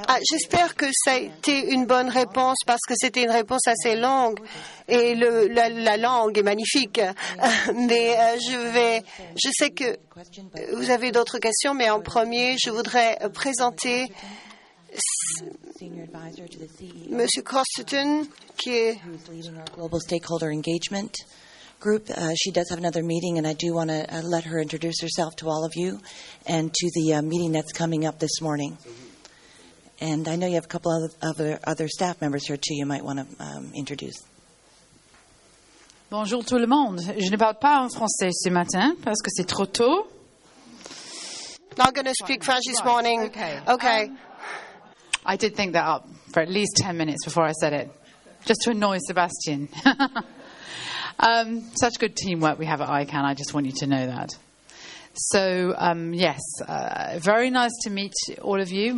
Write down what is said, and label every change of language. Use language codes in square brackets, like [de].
[fr] J'espère que ça a été une bonne réponse, parce que c'était une réponse assez longue et la langue est magnifique. Mais je sais que vous avez d'autres questions, mais en premier, je voudrais présenter M. Crosterton, qui est [en] Global Stakeholder Engagement Group. She does have another meeting, and I do want to let her introduce herself to all of you and to the meeting that's coming up this morning. And I know you have a couple of other staff members here too you might want to introduce. [fr] Bonjour tout le monde. Je ne parle pas en français ce matin parce que c'est trop tôt. [en] Not going to speak French this morning. Okay. I did think that up for at least 10 minutes before I said it, just to annoy Sebastian. such good teamwork we have at ICANN, I just want you to know that. So, yes, very nice to meet all of you.